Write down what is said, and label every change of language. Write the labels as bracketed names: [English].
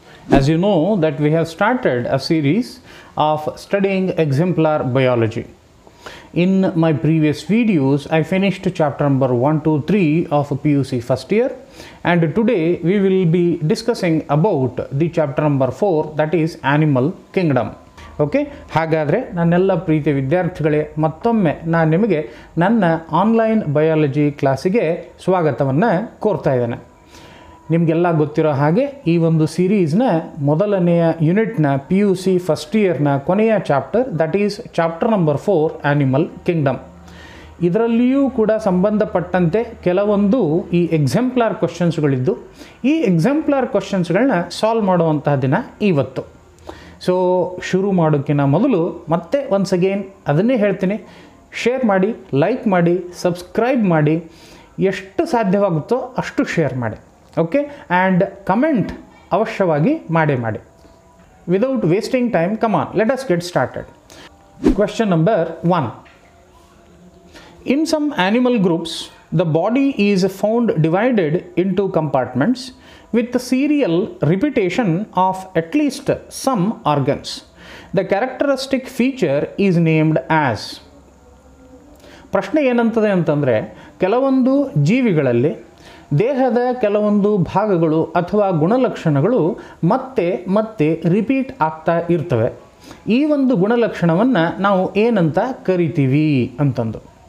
[English] As you know that we have started a series of studying exemplar biology. In my previous videos, I finished chapter number 1, 2, 3 of PUC first year, and today we will be discussing about the chapter number 4, that is Animal Kingdom. [Kannada] Okay ಹಾಗಾದರೆ ನನ್ನೆಲ್ಲ ಪ್ರೀತಿಯ ವಿದ್ಯಾರ್ಥಿಗಳೇ, ಮತ್ತೊಮ್ಮೆ ನಾನು ನಿಮಗೆ ನನ್ನ online biology ಕ್ಲಾಸಿಗೆ ಸ್ವಾಗತವನ್ನು ಕೋರ್ತಾ ಇದ್ದೇನೆ. ನಿಮಗೆಲ್ಲ ಗೊತ್ತಿರೋ ಹಾಗೆ ಈ ಒಂದು ಸೀರೀಸ್ನ ಮೊದಲನೆಯ ಯೂನಿಟ್ನ ಪಿ ಯು ಸಿ ಫಸ್ಟ್ ಇಯರ್ನ ಕೊನೆಯ chapter, [English] That is chapter number 4, animal kingdom. [Kannada] ಇದರಲ್ಲಿಯೂ ಕೂಡ ಸಂಬಂಧಪಟ್ಟಂತೆ ಕೆಲವೊಂದು ಈ ಎಕ್ಸೆಂಪ್ಲಾರ್ ಕ್ವಶನ್ಸ್ಗಳಿದ್ದು, ಈ ಎಕ್ಸೆಂಪ್ಲಾರ್ ಕ್ವಶನ್ಸ್ಗಳನ್ನ ಸಾಲ್ವ್ ಮಾಡುವಂತಹ ದಿನ ಇವತ್ತು. ಸೊ ಶುರು ಮಾಡೋಕ್ಕಿಂತ ಮೊದಲು ಮತ್ತೆ [English] once again [Kannada] ಅದನ್ನೇ ಹೇಳ್ತೀನಿ, ಶೇರ್ ಮಾಡಿ, ಲೈಕ್ ಮಾಡಿ, ಸಬ್ಸ್ಕ್ರೈಬ್ ಮಾಡಿ, ಎಷ್ಟು ಸಾಧ್ಯವಾಗುತ್ತೋ ಅಷ್ಟು ಶೇರ್ ಮಾಡಿ. ಓಕೆ, ಆ್ಯಂಡ್ ಕಮೆಂಟ್ ಅವಶ್ಯವಾಗಿ ಮಾಡಿ. [English] Without wasting time, come on, let us get started. Question number 1. In some animal groups the body is found divided into compartments with the serial repetition of at least some organs. The characteristic feature is named as. [Kannada] ಪ್ರಶ್ನೆ ಏನಂತದೆ ಅಂತಂದರೆ, ಕೆಲವೊಂದು ಜೀವಿಗಳಲ್ಲಿ ದೇಹದ ಕೆಲವೊಂದು ಭಾಗಗಳು ಅಥವಾ ಗುಣಲಕ್ಷಣಗಳು ಮತ್ತೆ ಮತ್ತೆ ರಿಪೀಟ್ ಆಗ್ತಾ ಇರ್ತವೆ. ಈ ಒಂದು ಗುಣಲಕ್ಷಣವನ್ನು ನಾವು ಏನಂತ ಕರಿತೀವಿ ಅಂತಂದು.